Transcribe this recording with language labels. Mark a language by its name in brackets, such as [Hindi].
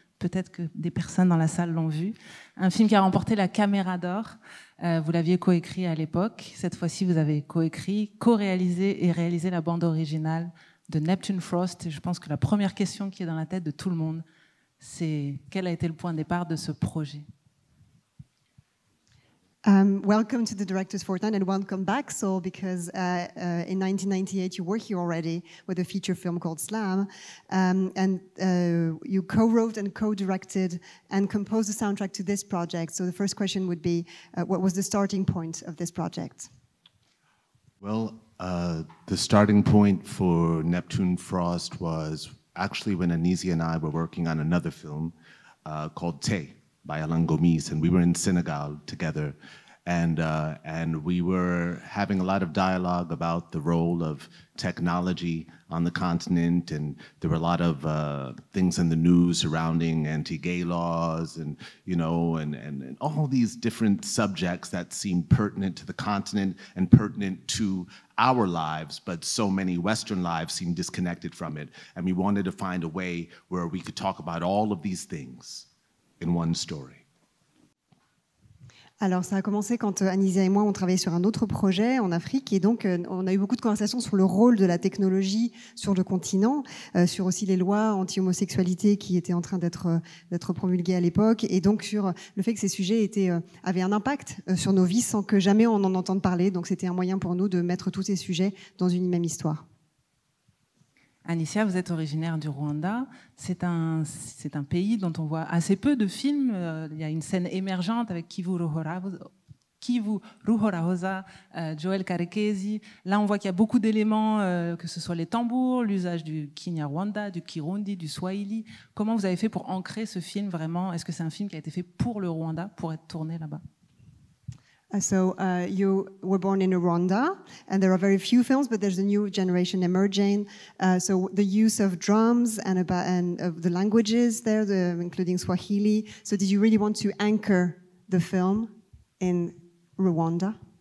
[French] Peut-être que des personnes dans la salle l'ont vu. Un film qui a remporté la Caméra d'Or. Vous l'aviez coécrit à l'époque. Cette fois-ci, vous avez coécrit, co-réalisé et réalisé la bande originale de Neptune Frost. Et je pense que la première question qui est dans la tête de tout le monde, c'est quel a été le point de départ de ce projet ? [English] Welcome to the Director's Fortnite and welcome back, Saul, because in 1998 you were here already with a feature film called Slam, and you co-wrote and co-directed and composed the soundtrack to this project. So the first question would be, what was the starting point of this project? Well, the starting point for Neptune Frost was actually when Anicia and I were working on another film called Tay by Alain Gomis, and we were in Senegal together. And we were having a lot of dialogue about the role of technology on the continent, and there were a lot of things in the news surrounding anti-gay laws, and you know, and all these different subjects that seemed pertinent to the continent and pertinent to our lives, but so many Western lives seemed disconnected from it. And we wanted to find a way where we could talk about all of these things in one story. [French] Alors, ça a commencé quand Anicia et moi, on travaillait sur un autre projet en Afrique. Et donc, on a eu beaucoup de conversations sur le rôle de la technologie sur le continent, sur aussi les lois anti-homosexualité qui étaient en train d'être promulguées à l'époque. Et donc, sur le fait que ces sujets avaient un impact sur nos vies sans que jamais on en entende parler. Donc, c'était un moyen pour nous de mettre tous ces sujets dans une même histoire. Anicia, vous êtes originaire du Rwanda. C'est un pays dont on voit assez peu de films. Il y a une scène émergente avec Kivu Ruhorahoza, Joel Karekezi. Là, on voit qu'il y a beaucoup d'éléments, que ce soit les tambours, l'usage du Kinyarwanda, du Kirundi, du Swahili. Comment vous avez fait pour ancrer ce film vraiment ? Est-ce que c'est un film qui a été fait pour le Rwanda, pour être tourné là-bas ? [English] So you were born in Rwanda, and there are very few films, but there's a new generation emerging. So the use of drums and of the languages there, including Swahili. So did you really want to anchor the film in Rwanda?